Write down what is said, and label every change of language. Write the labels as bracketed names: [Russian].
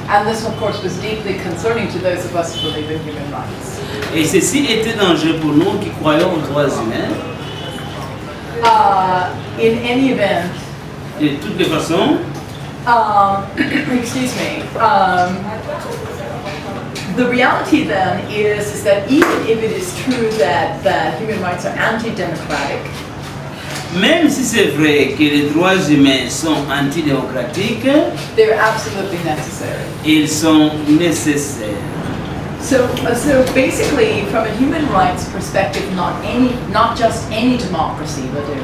[English] And this, of course, was deeply concerning to those of us who believe in human rights. [French] Et ceci était dangereux pour nous qui croyons aux droits humains. [English] In any event. [French] De toutes les façons. [English] excuse me. The reality then is that even if it is true that human rights are anti-democratic. [French] Même si c'est vrai que les droits humains sont antidémocratiques, [English] they're absolutely necessary. [French] Ils sont nécessaires. [English] So basically, from a human rights perspective, not just any democracy, but